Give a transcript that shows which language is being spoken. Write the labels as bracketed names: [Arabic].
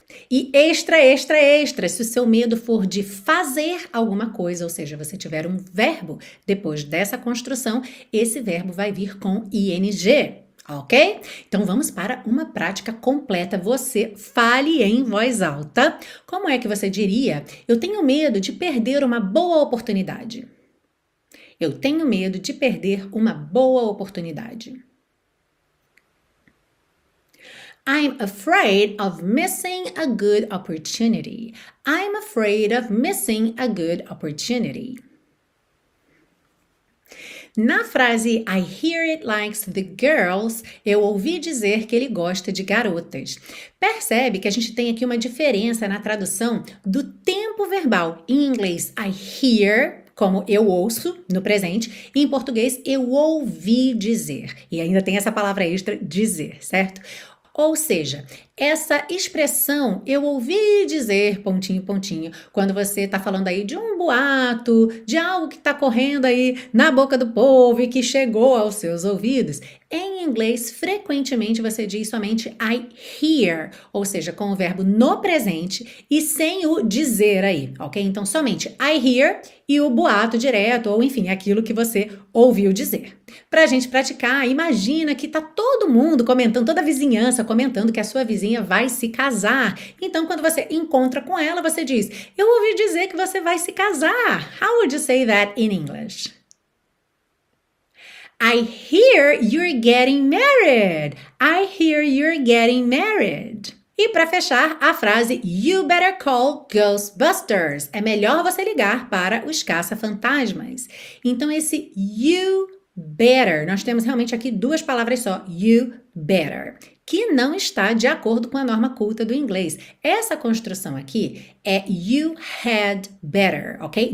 [Portuguese] E extra, extra, extra, se o seu medo for de fazer alguma coisa, ou seja, você tiver um verbo depois dessa construção, esse verbo vai vir com ing, ok? Então vamos para uma prática completa. Você fale em voz alta. Como é que você diria? Eu tenho medo de perder uma boa oportunidade. Eu tenho medo de perder uma boa oportunidade. [English] I'm afraid of missing a good opportunity. I'm afraid of missing a good opportunity. [Portuguese] Na frase [English] I hear it likes the girls, [Portuguese] eu ouvi dizer que ele gosta de garotas. Percebe que a gente tem aqui uma diferença na tradução do tempo verbal. Em inglês, I hear. Como eu ouço no presente, e em português eu ouvi dizer. E ainda tem essa palavra extra, dizer, certo? Ou seja, essa expressão eu ouvi dizer, pontinho, pontinho, quando você está falando aí de um boato, de algo que está correndo aí na boca do povo e que chegou aos seus ouvidos, em inglês, frequentemente você diz somente I hear, ou seja, com o verbo no presente e sem o dizer aí, ok? Então, somente I hear e o boato direto, ou enfim, aquilo que você ouviu dizer. Para a gente praticar, imagina que está todo mundo comentando, toda a vizinhança comentando que a sua vizinha vai se casar. Então, quando você encontra com ela, você diz: Eu ouvi dizer que você vai se casar. [English] How would you say that in English? I hear you're getting married. I hear you're getting married. [Portuguese] E para fechar, a frase [English] You better call Ghostbusters. [Portuguese] É melhor você ligar para os caça-fantasmas. Então, esse you better, nós temos realmente aqui duas palavras só: you better. Que não está de acordo com a norma culta do inglês. Essa construção aqui é you had better, ok?